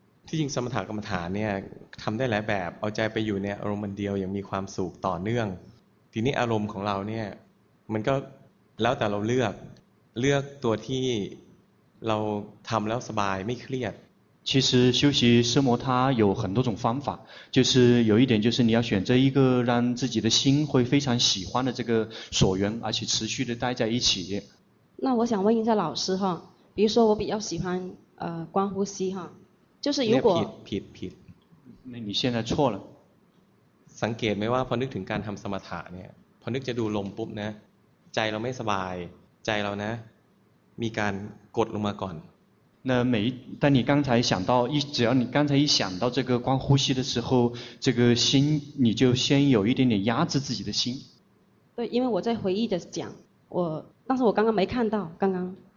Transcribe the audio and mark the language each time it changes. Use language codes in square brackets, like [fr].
[th] ที่จริงสมถะกรรมฐานเนี่ยทำได้หลายแบบเอาใจไปอยู่ในอารมณ์มันเดียวอย่างมีความสุขต่อเนื่องทีนี้อารมณ์ของเราเนี่ยมันก็แล้วแต่เราเลือกตัวที่เราทำแล้วสบายไม่เครียด [zh] 其实修习奢摩他有很多种方法就是有一点就是你要选择一个让自己的心会非常喜欢的这个所缘而且持续的待在一起那我想问一下老师哈比如说我比较喜欢观呼吸哈就是如果 [th] ผิด [zh] 那你现在错了 [th] สังเกตไหมว่าพอนึกถึงการทำสมถะเนี่ยพอนึกจะดูลมปุ๊บนะใจเราไม่สบายใจเรานะมีการกดลงมาก่อน [zh] 那每当你刚才想到一只要你刚才一想到这个光呼吸的时候这个心你就先有一点点压制自己的心对因为我在回忆的讲我但是我刚刚没看到刚刚